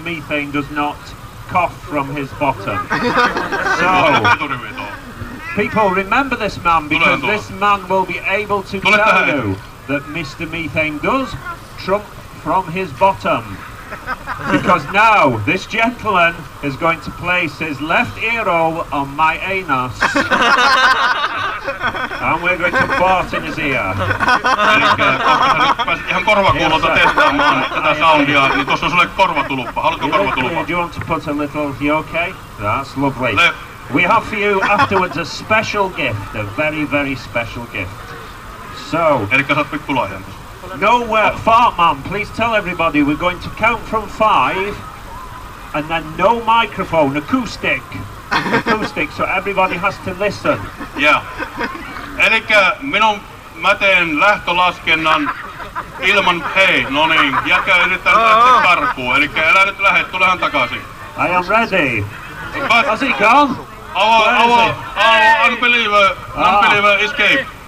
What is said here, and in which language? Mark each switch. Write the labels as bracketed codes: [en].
[en] Methane does not cough from his bottom. So, people, remember this man, because this man will be able to tell you that Mr. Methane does trump from his bottom. Because now this gentleman is going to place his left ear hole on my anus. And we're going to fart in his ear. [fi] Elikkä ihan korvakuulolta testaamaan tätä soundia, niin tossa on sulle korvatuluppa. Haluatko korvatuluppa? [en] Do you want to put a little, you okay? That's lovely. We have for you afterwards a special gift, a very, very special gift. So. [fi] Elikkä sä oot pikkulaajan tossa. [en] No, fart man, please tell everybody, we're going to count from five, and then no microphone, acoustic, so everybody has to listen. Yeah. [fi] Elikkä mä teen lähtölaskennan ilman, hei, no niin, jäkä yrittää lähteä karkuun, elikkä älä nyt lähde, tulehan takaisin. [en] I am ready. But has he gone? Our unbeliever escape.